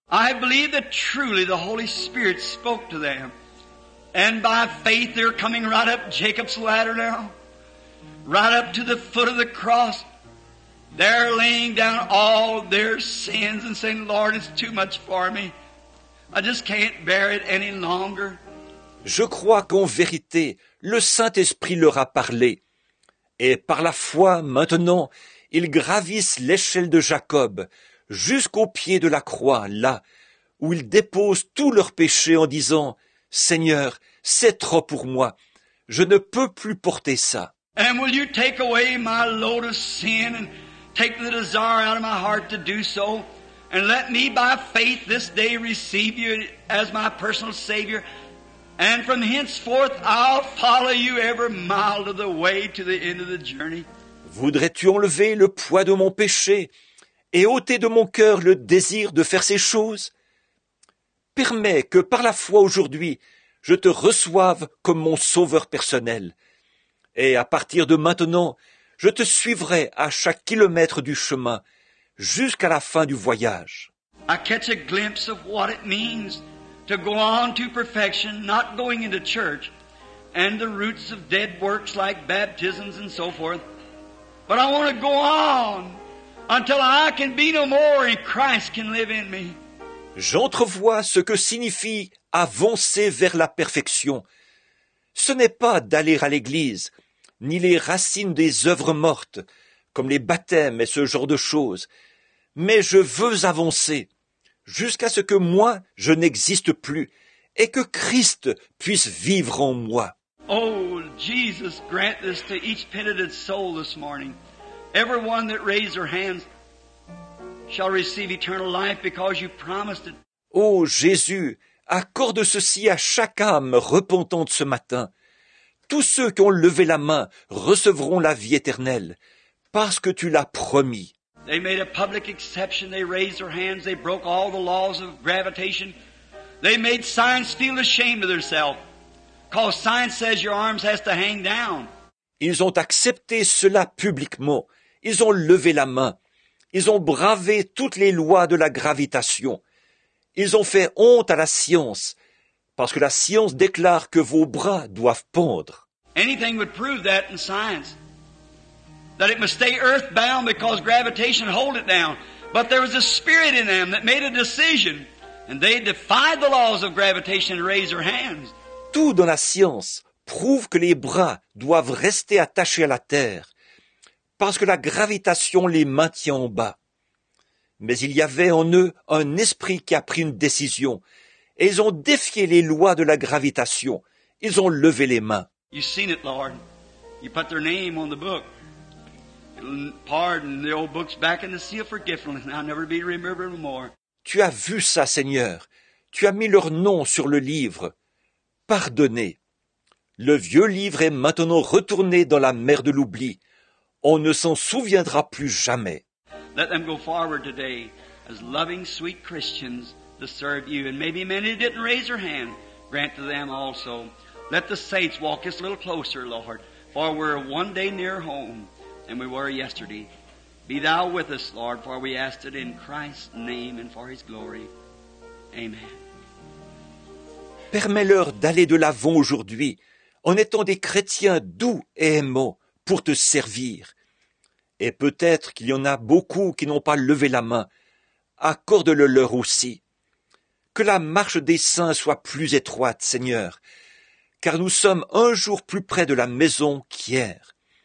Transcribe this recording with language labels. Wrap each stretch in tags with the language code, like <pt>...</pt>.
<en>I believe that truly the Holy Spirit spoke to them. And by faith they're coming right up Jacob's ladder now. Right up to the foot of the cross. They're laying down all their sins and saying, Lord, it's too much for me. I just can't bear it any longer.</en> <fr>Je crois qu'en vérité, le Saint-Esprit leur a parlé. Et par la foi, maintenant, ils gravissent l'échelle de Jacob jusqu'au pied de la croix, là, où ils déposent tous leurs péchés en disant, « Seigneur, c'est trop pour moi. Je ne peux plus porter ça. »</fr> <en>And will you take away my load of sin and take the desire out of my heart to do so? And let me by faith this day receive you as my personal Savior. And from henceforth I'll follow you every mile of the way to the end of the journey.</en> <fr>Voudrais-tu enlever le poids de mon péché et ôter de mon cœur le désir de faire ces choses? Permets que par la foi aujourd'hui, je te reçoive comme mon sauveur personnel. Et à partir de maintenant, je te suivrai à chaque kilomètre du chemin, jusqu'à la fin du voyage.</fr> <en>I catch a glimpse of what it means to go on to perfection, not going into church, and the roots of dead works like baptisms and so forth. But I want to go on until I can be no more and Christ can live in me.</en> <fr>J'entrevois ce que signifie avancer vers la perfection. Ce n'est pas d'aller à l'église, ni les racines des œuvres mortes, comme les baptêmes et ce genre de choses. Mais je veux avancer jusqu'à ce que moi, je n'existe plus et que Christ puisse vivre en moi.</fr> <en>Oh, Jesus, grant this to each penitent soul this morning. Everyone that raised their hands shall receive eternal life because you promised it.</en> <fr>Oh, Jésus, accorde ceci à chaque âme repentante ce matin. Tous ceux qui ont levé la main recevront la vie éternelle, parce que tu l'as promis.</fr> <en>They made a public exception, they raised their hands, they broke all the laws of gravitation. They made science feel ashamed of themselves, because science says your arms has to hang down.</en> <fr>Ils ont accepté cela publiquement, ils ont levé la main, ils ont bravé toutes les lois de la gravitation. Ils ont fait honte à la science, parce que la science déclare que vos bras doivent pendre.</fr> <en>Anything would prove that in science. That it must stay earthbound because gravitation hold it down. But there was a spirit in them that made a decision. And they defied the laws of gravitation and raised their hands.</en> <fr>Tout dans la science prouve que les bras doivent rester attachés à la terre, parce que la gravitation les maintient en bas. Mais il y avait en eux un esprit qui a pris une décision. Et ils ont défié les lois de la gravitation. Ils ont levé les mains.</fr> <en>You've seen it, Lord. You put their name on the book. pardon. The old book's back in the sea of forgiveness. I'll never be remembered more.</en> <fr>Tu as vu ça, Seigneur. Tu as mis leur nom sur le livre. Pardonné. Le vieux livre est maintenant retourné dans la mer de l'oubli. On ne s'en souviendra plus jamais.</fr> <en>Let them go forward today as loving, sweet Christians to serve you. And maybe many didn't raise their hand. Grant to them also. Let the saints walk us a little closer, Lord. For we're one day near home than we were yesterday. Be thou with us, Lord, for we ask it in Christ's name and for his glory. Amen.</en> <fr>Permets-leur d'aller de l'avant aujourd'hui en étant des chrétiens doux et aimants pour te servir. Et peut-être qu'il y en a beaucoup qui n'ont pas levé la main. Accorde-le leur aussi. Que la marche des saints soit plus étroite, Seigneur, car nous sommes un jour plus près de la maison qu'hier.</fr>